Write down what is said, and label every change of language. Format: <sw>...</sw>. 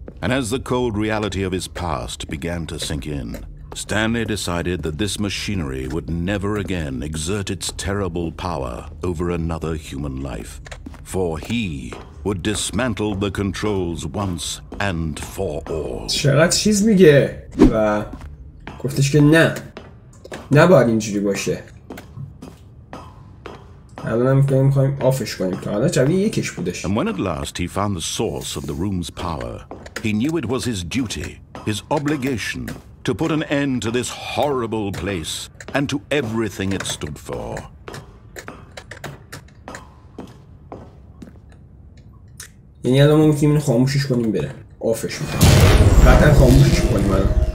<en>And as the cold reality of his past began to sink in, Stanley decided that this machinery would never again exert its terrible power over another human life. For he would dismantle the controls once and for all.</en> <fa>چقدر چیز میگه و گفتش که نه نباید اینجوری باشه. الان هم میخواییم آفش کنیم که حالا چبیه یکش بودش.</fa> <en>And when at last he found the source of the room's power, he knew it was his duty, his obligation, to put an end to this horrible place and to everything it stood for.</en> <fa>یعنی الان ما میتونیم اینو خاموشش کنیم بره آفش میتونیم قطعا خاموشش کنیم الان.</fa>